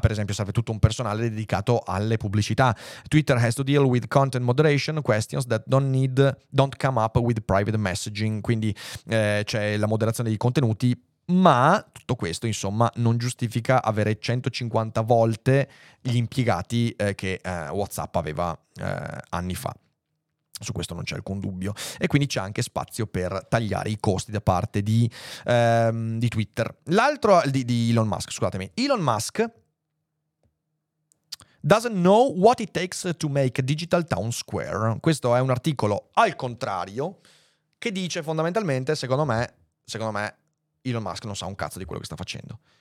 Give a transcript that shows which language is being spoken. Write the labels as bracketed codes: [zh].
[it] Per esempio, serve tutto un personale dedicato alle pubblicità. [en] Twitter has to deal with content moderation questions that don't come up with private messaging. [it] Quindi c'è la moderazione dei contenuti, ma tutto questo, insomma, non giustifica avere 150 volte gli impiegati che WhatsApp aveva anni fa. Su questo non c'è alcun dubbio. E quindi c'è anche spazio per tagliare i costi da parte di Twitter. L'altro di Elon Musk, scusatemi. [en] Elon Musk doesn't know what it takes to make a digital town square. [it] Questo è un articolo al contrario che dice fondamentalmente, secondo me, Elon Musk non sa un cazzo di quello che sta facendo.